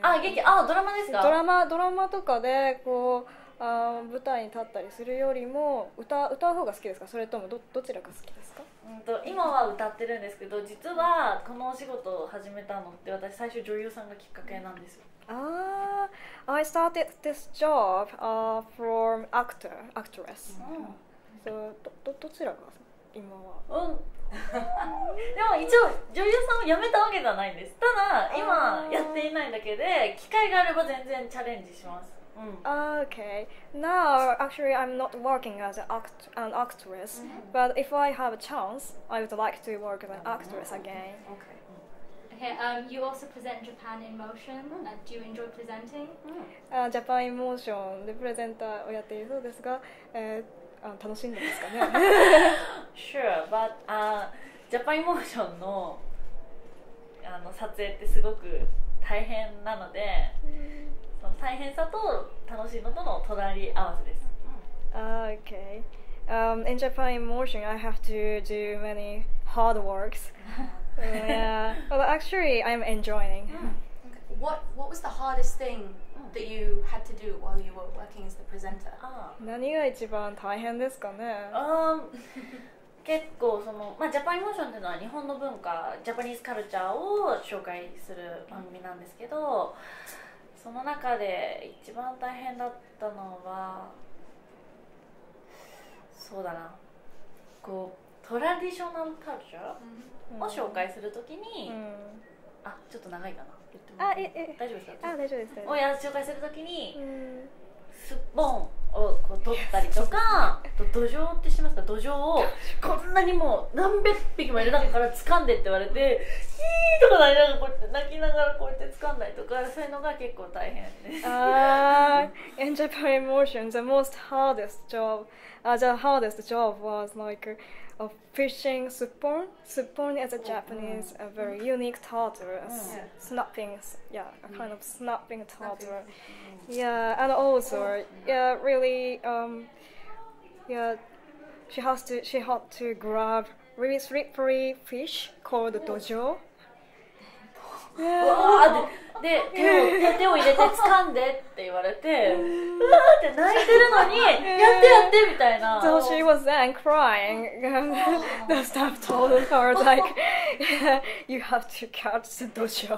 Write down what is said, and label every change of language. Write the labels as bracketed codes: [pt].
[ja] あ、劇あドラマですか。ドラマとかでこう。舞台に立ったりするよりも歌う方が好きですか、それとも どちらが好きですか。今は歌ってるんですけど、実はこのお仕事を始めたのって私最初女優さんがきっかけなんですよ。 [en] I started this job from actress、so, [ja] どちらが今は、でも一応女優さんを辞めたわけじゃないんです。ただ今やっていないだけで、機会があれば全然チャレンジします。 [en] Okay. Now, actually, I'm not working as an actress, mm-hmm. but if I have a chance, I would like to work as an actress again. Okay. You also present Japan in Motion. Do you enjoy presenting? [ja] Japan in Motion でプレゼンターをやっているそうですが、楽しんでますかね。 [en] Sure, but [ja] Japan in Motion の、あの撮影ってすごく大変なので、その大変さと楽しいのとの隣り合わせです。 [en] Okay. In Japan in Motion, I have to do many hard works. yeah, well, actually, I'm enjoying. Mm. Okay. What was the hardest thing that you had to do while you were working as the presenter? [ja] 何が一番大変ですかね？結構その、まあ、ジャパニーモーションというのは日本の文化、ジャパニーズカルチャーを紹介する番組なんですけど、その中で一番大変だったのは、そうだな、こう、トラディショナルカルチャー、うんを紹介するときに、あ、ちょっと長いかな。あ、大丈夫ですか？あ、大丈夫です。を紹介するときに、スッポンをこう取ったりとか、土壌って知ってますか？土壌をこんなにもう何百匹もいる中から掴んでって言われて、ヒーとか泣きながらこうやって泣きながらこうやって掴んだりとか、そういうのが結構大変です。 [en] In Japan Emotion, the most hardest job, the hardest job was like. Of fishing suppon. Suppon is a Japanese a very unique turtle. Snapping, yeah, a kind of snapping turtle. Yeah, and also, yeah, really, yeah, she had to grab really slippery fish called dojo. Yeah. [ja] で手を入れて掴んでって言われて、うわって泣いてるのにやってやってみたいな。 [en] So she was then crying. The staff told her like, you have to catch the dojo.